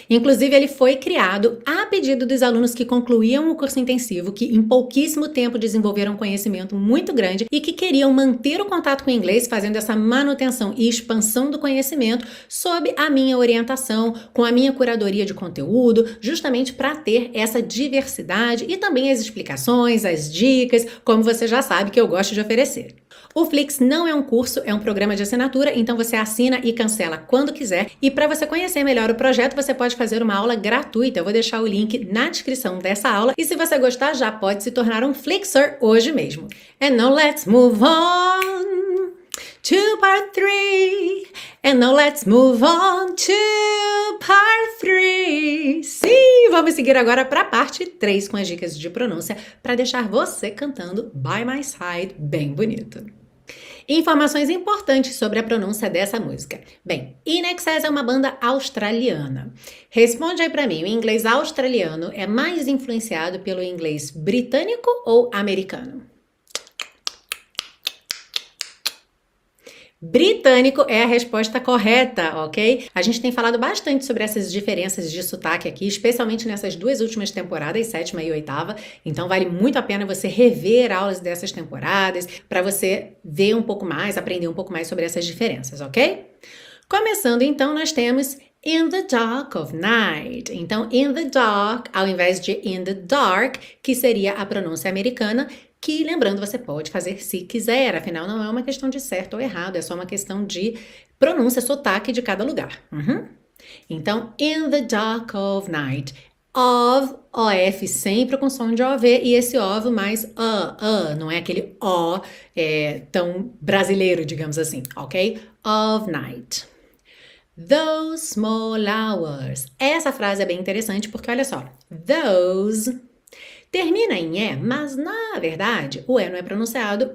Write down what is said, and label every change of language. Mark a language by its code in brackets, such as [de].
[pt] Inclusive, ele foi criado a pedido dos alunos que concluíam o curso intensivo, que em pouquíssimo tempo desenvolveram um conhecimento muito grande e que queriam manter o contato com o inglês, fazendo essa manutenção e expansão do conhecimento sob a minha orientação, com a minha curadoria de conteúdo, justamente para ter essa diversidade e também as explicações, as dicas, como você já sabe que eu gosto de oferecer. O Flix não é um curso, é um programa de assinatura, então você assina e cancela quando quiser. E para você conhecer melhor o projeto, você pode fazer uma aula gratuita. Eu vou deixar o link na descrição dessa aula. E se você gostar, já pode se tornar um Flixer hoje mesmo. [en] And now let's move on! To part 3, and now let's move on to part 3. [pt] Sim, vamos seguir agora para a parte 3 com as dicas de pronúncia para deixar você cantando By My Side bem bonito. Informações importantes sobre a pronúncia dessa música. Bem, INXS é uma banda australiana. Responde aí para mim, o inglês australiano é mais influenciado pelo inglês britânico ou americano? Britânico é a resposta correta, ok? A gente tem falado bastante sobre essas diferenças de sotaque aqui, especialmente nessas 2 últimas temporadas, 7ª e 8ª, então vale muito a pena você rever aulas dessas temporadas para você ver um pouco mais, aprender um pouco mais sobre essas diferenças, ok? Começando então, nós temos [en] in the dark of night. [pt] Então, [en] in the dark, [pt] ao invés de in the dark, que seria a pronúncia americana, Que, lembrando, você pode fazer se quiser, afinal, não é uma questão de certo ou errado, é só uma questão de pronúncia, sotaque de cada lugar. [en] Então, in the dark of night. Of, OF, sempre com som de OV, e esse OV mais não é aquele O tão brasileiro, digamos assim, ok? Of night. Those small hours. [pt] Essa frase é bem interessante porque olha só. Those termina em E, mas na verdade o E não é pronunciado.